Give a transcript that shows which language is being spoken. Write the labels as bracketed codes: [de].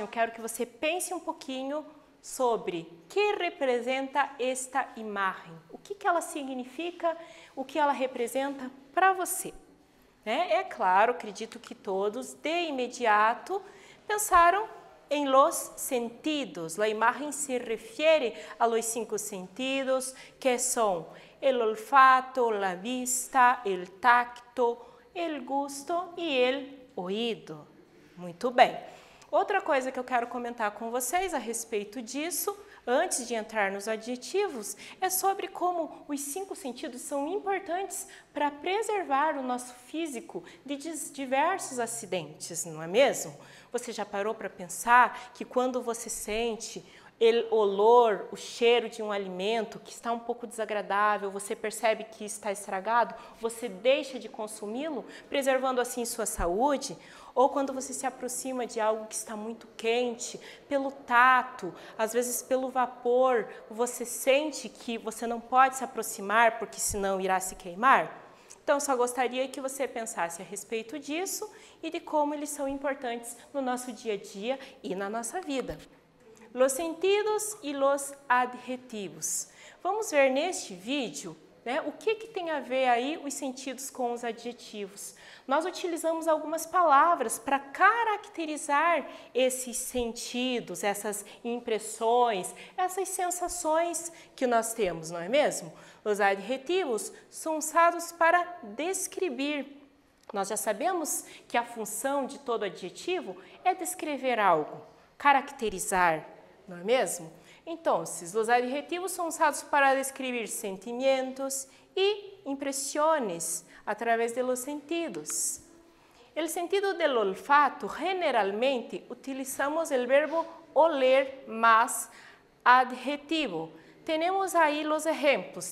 [pt] Eu quero que você pense um pouquinho sobre o que representa esta imagem, o que ela significa, o que ela representa para você. É claro, acredito que todos de imediato pensaram em los sentidos. [es] La imagen se refiere a los cinco sentidos, que son el olfato, la vista, el tacto, el gusto y el oído. [pt] Muito bem. Outra coisa que eu quero comentar com vocês a respeito disso, antes de entrar nos adjetivos, é sobre como os cinco sentidos são importantes para preservar o nosso físico de diversos acidentes, não é mesmo? Você já parou para pensar que quando você sente olor, o cheiro de um alimento que está um pouco desagradável, você percebe que está estragado, você deixa de consumi-lo, preservando assim sua saúde? Ou quando você se aproxima de algo que está muito quente, pelo tato, às vezes pelo vapor, você sente que você não pode se aproximar porque senão irá se queimar? Então, só gostaria que você pensasse a respeito disso e de como eles são importantes no nosso dia a dia e na nossa vida. [es] Los sentidos y los adjetivos. [pt] Vamos ver neste vídeo, o que tem a ver aí os sentidos com os adjetivos. Nós utilizamos algumas palavras para caracterizar esses sentidos, essas impressões, essas sensações que nós temos, não é mesmo? Os adjetivos são usados para descrever. Nós já sabemos que a função de todo adjetivo é descrever algo, caracterizar. Não é mesmo? Então, os adjetivos são usados para descrever sentimentos e impressões através [es] de los sentidos. El sentido del olfato, generalmente, utilizamos el verbo oler más adjetivo. Tenemos aí los ejemplos.